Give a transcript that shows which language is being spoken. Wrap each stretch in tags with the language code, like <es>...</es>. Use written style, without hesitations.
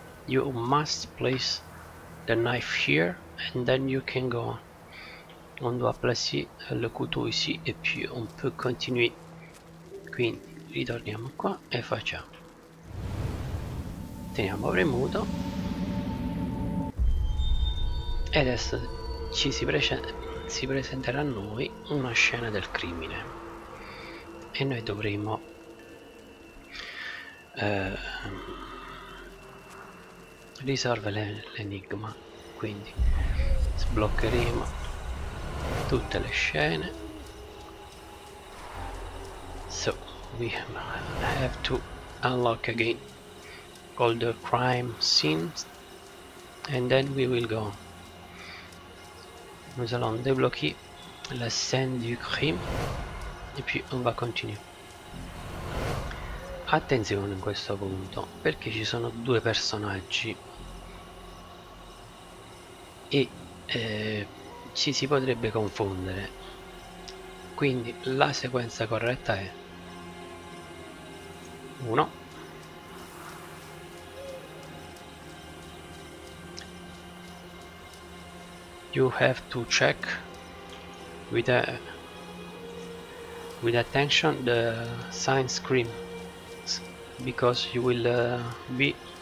<en>You must place the knife here and then you can go on.</en> <fr>On doit placer le couteau ici et puis on peut continuer.</fr> <it>Quindi ritorniamo qua e facciamo. Teniamo premuto. E adesso ci si presenterà a noi una scena del crimine. E noi dovremo risolvere l'enigma. Quindi sbloccheremo tutte le scene.</it> <en>So we have to unlock again all the crime scenes and then we will go.</en> <fr>Nous allons débloquer la scène du crime et puis on va continuer.</fr> <it>Attenzione in questo punto perché ci sono due personaggi e ci si potrebbe confondere. Quindi la sequenza corretta è 1</it> <en>You have to check with attention the sign screen because you will be</en>